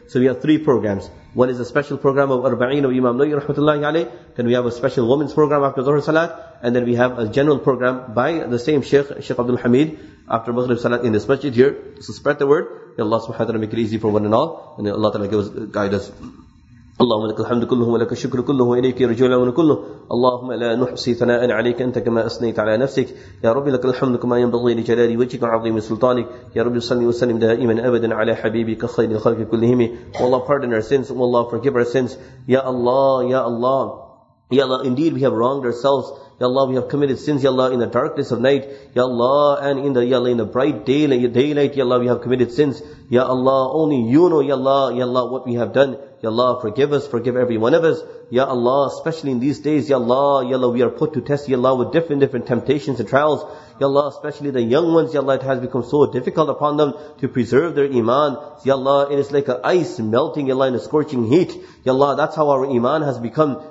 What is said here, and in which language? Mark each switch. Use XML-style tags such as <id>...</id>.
<en>So we have three programs. One is a special program of Arba'een of Imam Nawawi rahmatullahi alayh. Then we have a special women's program after Dhuhr Salat. And then we have a general program by the same Sheikh Abdul Hamid, after Maghrib Salat in this masjid here. So spread the word. May Allah subhanahu wa ta'ala make it easy for one and all. And may Allah ta'ala guide us.</en> <ar>اللهم لك الحمد كله ولك الشكر كله إليك يرجو الأمر كله اللهم لا نحصي ثناء عليك أنت كما أثنيت على نفسك يا رب لك الحمد كما ينبغي لجلال وجهك وعظيم سلطانك يا رب صل وسلم دائما أبدا على حبيبك خير الخلق كلهم والله</ar> <en>pardon our sins</en> <ar>والله</ar> <en>forgive our sins</en> <ar>يا الله يا الله يا الله</ar> <en>indeed we have wronged ourselves</en> <ar>يا الله</ar> <en>we have committed sins</en> <ar>يا الله</ar> <en>in the darkness of night</en> <ar>يا الله</ar> <en>and in the</en> <ar>يا الله</ar> <en>in the bright daylight</en> <ar>يا الله we have committed sins يا الله</ar> <en>only you know</en> <ar>يا الله</ar> <en>what we have done. Ya Allah, forgive us, forgive every one of us. Ya Allah, especially in these days, Ya Allah, we are put to test, Ya Allah, with different temptations and trials. Ya Allah, especially the young ones, Ya Allah, it has become so difficult upon them to preserve their iman. Ya Allah, it is like ice melting, Ya Allah, in a scorching heat. Ya Allah, that's how our iman has become.</en>